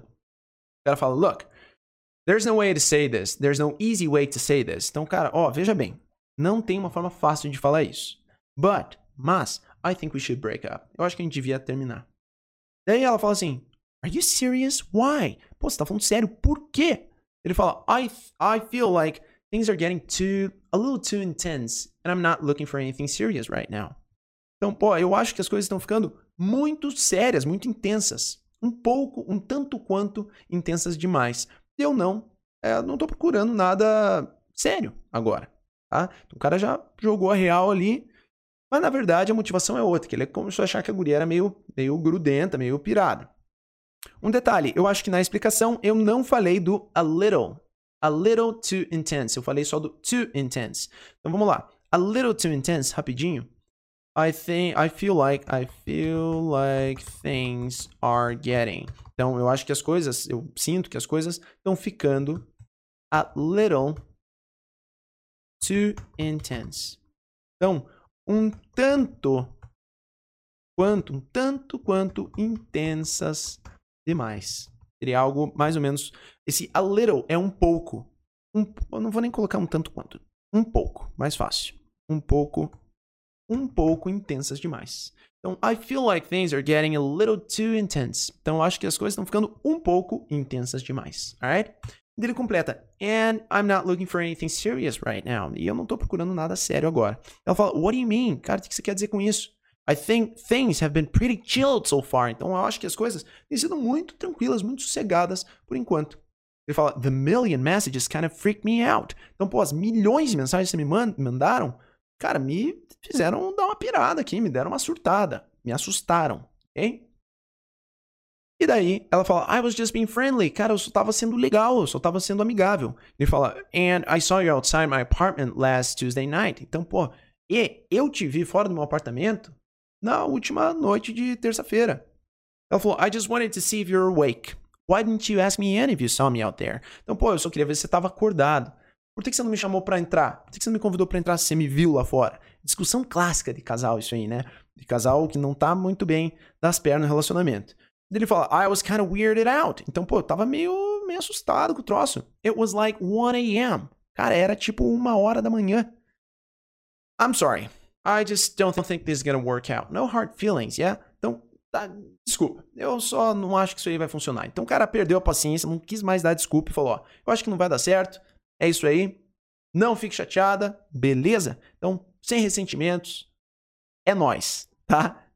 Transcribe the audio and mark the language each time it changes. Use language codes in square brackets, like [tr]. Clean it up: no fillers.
[pt] O cara fala, [en] look, there's no way to say this. There's no easy way to say this. [pt] Então, cara, ó, veja bem. Não tem uma forma fácil de falar isso. [en] But, mas, I think we should break up. [pt] Eu acho que a gente devia terminar. Daí ela fala assim, [en] are you serious? Why? [pt] Pô, você tá falando sério? Por quê? Ele fala, [en] I feel like things are getting too, a little too intense, and I'm not looking for anything serious right now. [pt] Então, pô, eu acho que as coisas estão ficando muito sérias, muito intensas. Um pouco, um tanto quanto intensas demais. Eu não, não tô procurando nada sério agora, tá? Então, o cara já jogou a real ali, mas na verdade a motivação é outra, que ele começou a achar que a guria era meio grudenta, meio pirada. Um detalhe, eu acho que na explicação eu não falei do [en] a little too intense, [pt] eu falei só do [en] too intense. [pt] Então vamos lá, [en] a little too intense, [pt] rapidinho. [en] I feel like things are getting. [pt] Então eu acho que as coisas, eu sinto que as coisas estão ficando [en] a little too intense. [pt] Então, um tanto quanto intensas. Demais. Seria algo mais ou menos... Esse a little é um pouco. Eu não vou nem colocar um tanto quanto. Um pouco. Mais fácil. Um pouco intensas demais. [en] Então, I feel like things are getting a little too intense. [pt] Então, eu acho que as coisas estão ficando um pouco intensas demais. Alright? Ele completa. [en] And I'm not looking for anything serious right now. [pt] E eu não tô procurando nada sério agora. Ela fala, [en] what do you mean? [pt] Cara, o que você quer dizer com isso? [en] I think things have been pretty chilled so far. [pt] Então, eu acho que as coisas têm sido muito tranquilas, muito sossegadas por enquanto. Ele fala, [en] the million messages kind of freaked me out. [pt] Então, pô, as milhões de mensagens que você me mandaram, cara, me fizeram dar uma pirada aqui, me deram uma surtada, me assustaram, ok? E daí, ela fala, [en] I was just being friendly. [pt] Cara, eu só tava sendo legal, eu só tava sendo amigável. Ele fala, [en] and I saw you outside my apartment last Tuesday night. [pt] Então, pô, e eu te vi fora do meu apartamento na última noite de terça-feira. Ela falou, [en] I just wanted to see if you're awake. Why didn't you ask me in if you saw me out there? [pt] Então, pô, eu só queria ver se você tava acordado. Por que você não me chamou pra entrar? Por que você não me convidou pra entrar se você me viu lá fora? Discussão clássica de casal isso aí, né? De casal que não tá muito bem das pernas no relacionamento. Ele fala, [en] I was kind of weirded out. [pt] Então, pô, eu tava meio assustado com o troço. [en] It was like 1 a.m. [pt] Cara, era tipo 1 a.m. [en] I'm sorry. I just don't think this is gonna work out. No hard feelings, yeah? Então, [pt] Tá, desculpa, eu só não acho que isso aí vai funcionar. Então o cara perdeu a paciência, não quis mais dar desculpa e falou, ó, eu acho que não vai dar certo, é isso aí, não fique chateada, beleza? Então, sem ressentimentos, é nóis, tá?